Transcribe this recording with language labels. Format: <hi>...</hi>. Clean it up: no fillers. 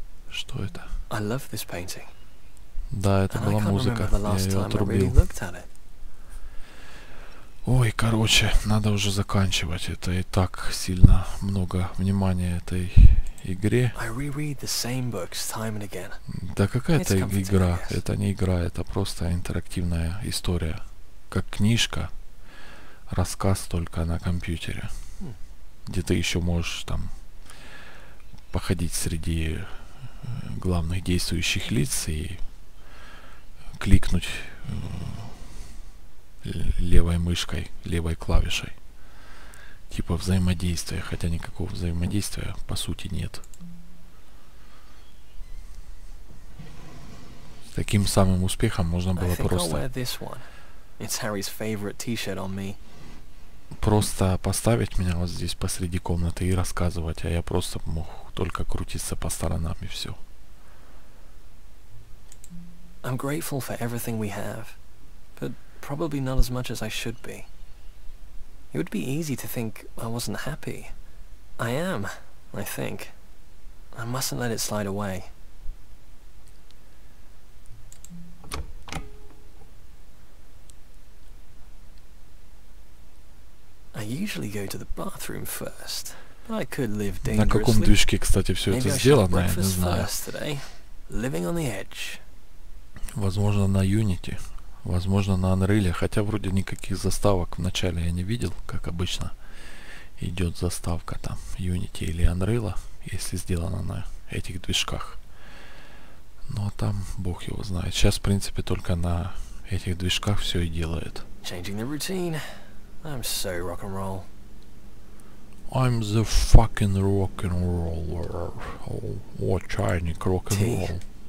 <ru>Что это?</ru> <en>I love this painting.</en> <ru>Да, это была музыка. Я ее отрубил. Ой, короче, надо уже заканчивать. Это и так сильно много внимания этой игре.</ru> <en>I reread the same books time and again.</en> <ru>Да какая это игра? Это не игра, это просто интерактивная история. Как книжка. Рассказ только на компьютере. Где ты еще можешь там походить среди главных действующих лиц и кликнуть левой мышкой, левой клавишей. Типа взаимодействия, хотя никакого взаимодействия по сути нет. С таким самым успехом можно было просто поставить меня вот здесь посреди комнаты и рассказывать, а я просто мог только крутиться по сторонам и все.</ru> <en>I'm grateful for everything we have, but probably not as much as I should be. It would be easy to think I wasn't happy. I am, I think. I mustn't let it slide away. I usually go to the bathroom first, but I could live dangerously.</en> <ru>На каком движке, кстати, все это сделано, я не знаю.</ru> <en>Living on the edge.</en> <ru>Возможно, на Unity, возможно, на Unreal, хотя вроде никаких заставок в начале я не видел, как обычно идет заставка там Unity или Unreal, если сделано на этих движках. Но там бог его знает. Сейчас, в принципе, только на этих движках все и делает.</ru> <en>Changing the routine. I'm so rock and roll. I'm the fucking rock and roller. Oh, what chainic rock and roll.</en>